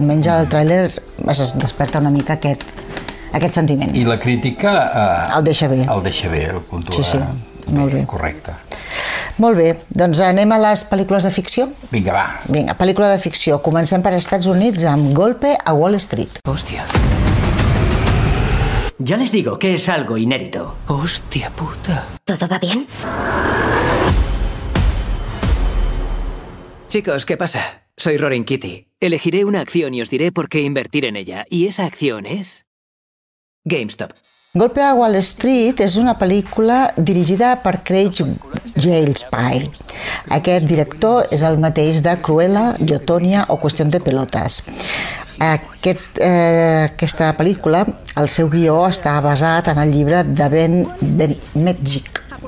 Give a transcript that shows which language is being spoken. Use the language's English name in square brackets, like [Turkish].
[Catalan] Almenys el tràiler es desperta una mica aquest sentiment. I la crítica... El deixa bé. El deixa bé, el puntua. Sí, sí. Molt bé. Correcte. Molt bé, doncs anem a les pel·lícules de ficció. Vinga, va. Vinga, pel·lícula de ficció. Comencem per Estats Units amb Golpe a Wall Street. Hòstia. [Spanish] Ya les digo que es algo inédito. [Catalan] Hòstia puta. [Spanish] ¿Todo va bien? Chicos, ¿qué pasa? Soy Roaring Kitty. Elegiré una acción y os diré por qué invertir en ella. Y esa acción es... GameStop. [Catalan] Golpe a Wall Street és una pel·lícula dirigida per Craig Gillespie. Aquest director és el mateix de Cruella, Yotonia o Qüestió de Pelotes. Aquesta pel·lícula, el seu guió està basat en el llibre de Ben Metzig.